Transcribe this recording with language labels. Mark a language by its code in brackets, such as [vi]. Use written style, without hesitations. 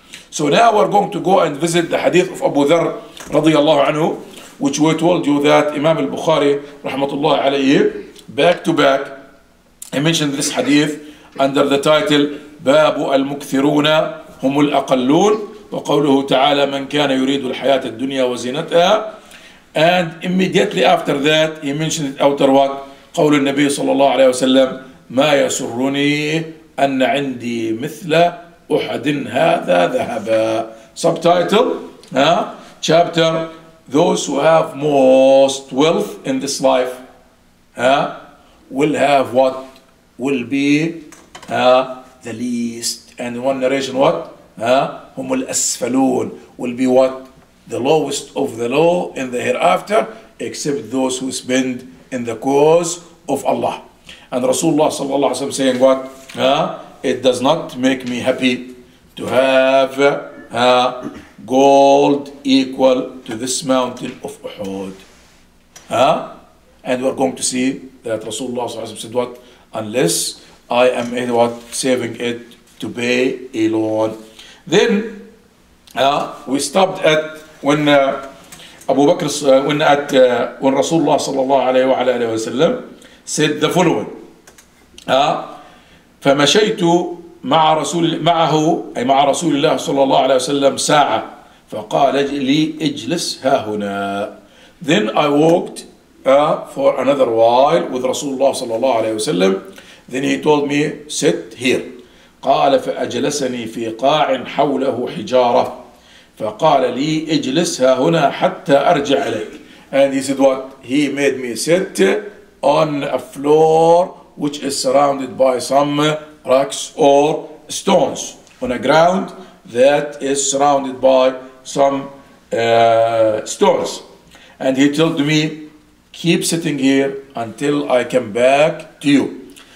[en] So now we're going to go and visit the hadith of Abu Dharr radiyallahu anhu, which we told you that Imam al-Bukhari rahmatullah alayhi, back to back, he mentioned this hadith under the title [ar] بَابُ الْمُكْثِرُونَ هُمُ الْأَقَلُّونَ وَقَوْلُهُ تَعَالَى مَنْ كَانَ يُرِيدُ الْحَيَاةَ الدُّنْيَا وَزِينَتَهَا. [en] And immediately after that, he mentioned it outer what? [ar] قول النبي صلى الله عليه وسلم ما يسرني أن عندي مثل أحد هذا ذهبا. [en] Subtitle, chapter, those who have most wealth in this life, will have what? Will be the least. And one narration what? [ar] هم الأسفلون. [en] Will be what? The lowest of the low in the hereafter, except those who spend in the cause of Allah. And Rasulullah sallallahu alayhi wa sallam saying what? It does not make me happy to have gold equal to this mountain of Uhud. And we're going to see that Rasulullah sallallahu alayhi wa sallam said what? Unless I am in what? Saving it to pay a loan. Then we stopped at when Abu Bakr, when Rasulullah sallallahu alayhi wa alayhi wa sallam said the following. [ar] فَمَشَيْتُ مَعَ رَسُولِ مَعَهُ أي مع رسول الله صلى الله عليه وسلم ساعة فقال لي اجلس هاهنا. [en] Then I walked for another while with Rasulullah [ar] صلى الله عليه وسلم. [en] Then he told me sit here. [ar] قال فأجلسني في قاع حوله حجارة فقال لي اجلس هاهنا حتى أرجع إليك. [en] And he said what? He made me sit on a floor which is surrounded by some rocks or stones, on a ground that is surrounded by some stones. And he told me, keep sitting here until I come back to you.